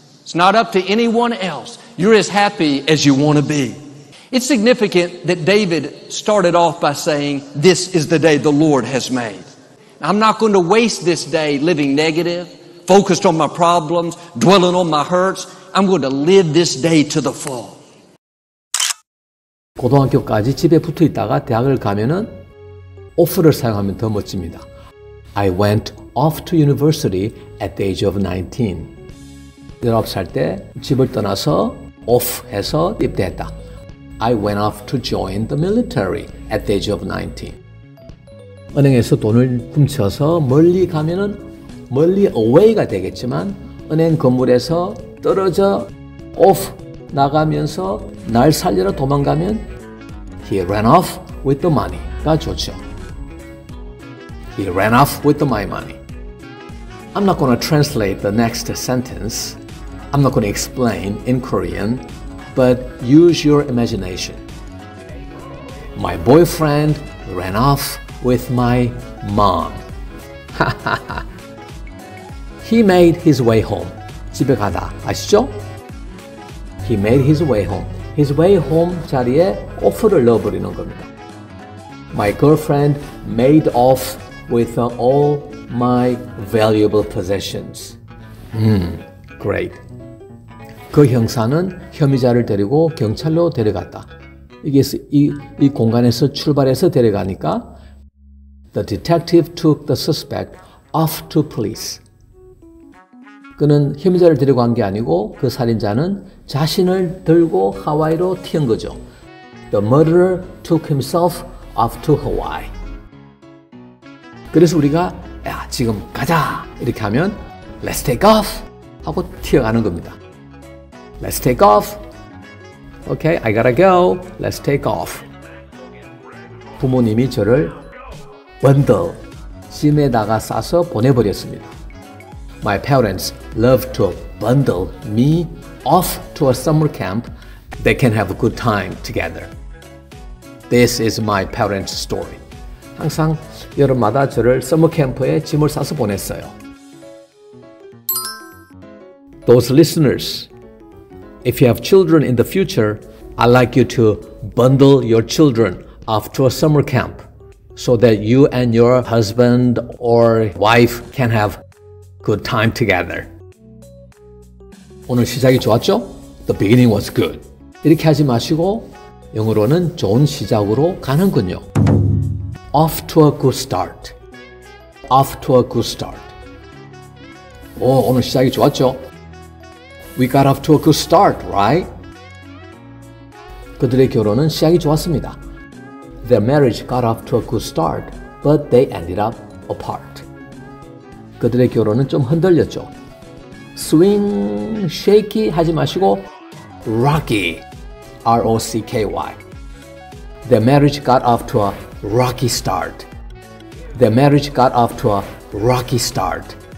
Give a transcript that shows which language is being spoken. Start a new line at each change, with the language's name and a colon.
English: It's not up to anyone else. You're as happy as you want to be. It's significant that David started off by saying, this is the day the Lord has made. I'm not going to waste this day living negative, focused on my problems, dwelling on my hurts. I'm going to live this day to the full.
Korean: 고등학교까지 집에 붙어 있다가 대학을 가면은 off를 사용하면 더 멋집니다.
English: I went off to university at the age of 19.
Korean: 19살 때 집을 떠나서 off 해서 입대했다.
English: I went off to join the military at the age of 19.
Korean: 은행에서 돈을 훔쳐서 멀리 가면은 멀리 away가 되겠지만 은행 건물에서 떨어져 off 나가면서 날 살려라 도망가면
English: he ran off with the money
Korean: 가 좋죠.
English: He ran off with my money. I'm not going to translate the next sentence. I'm not going to explain in Korean, but use your imagination. My boyfriend ran off with my mom. He made his way home.
Korean: 집에 가다. 아시죠?
English: He made his way home. His way home
Korean: 자리에 off를 넣어버리는 겁니다.
English: My girlfriend made off with all my valuable possessions. Great.
Korean: 그 형사는 혐의자를 데리고 경찰로 데려갔다. 이게 이 공간에서 출발해서 데려가니까
English: The detective took the suspect off to police.
Korean: 그는 혐의자를 데리고 간 게 아니고 그 살인자는 자신을 들고 하와이로 튀은 거죠.
English: The murderer took himself off to Hawaii.
Korean: 그래서 우리가 야 지금 가자 이렇게 하면
English: Let's take off
Korean: 하고 튀어가는 겁니다.
English: Let's take off. Okay, I gotta go. Let's take off.
Korean: 부모님이 저를 Wendell 짐에다가 싸서 보내버렸습니다.
English: My parents love to bundle me off to a summer camp. They can have a good time together. This is my parents' story.
Korean: 항상 여름마다 저를 summer camp에 짐을 싸서 보냈어요.
English: those listeners, if you have children in the future, I'd like you to bundle your children off to a summer camp so that you and your husband or wife can have good time together.
Korean: 오늘 시작이 좋았죠?
English: The beginning was good.
Korean: 이렇게 하지 마시고 영어로는 좋은 시작으로 가는군요.
English: Off to a good start. Off to a good start.
Korean: 오, 오늘 시작이 좋았죠?
English: We got off to a good start, right?
Korean: 그들의 결혼은 시작이 좋았습니다.
English: Their marriage got off to a good start, but they ended up apart.
Korean: 그들의 결혼은 좀 흔들렸죠.
English: Swing, shaky
Korean: 하지 마시고
English: rocky, R-O-C-K-Y. Their marriage got off to a rocky start. Their marriage got off to a rocky start.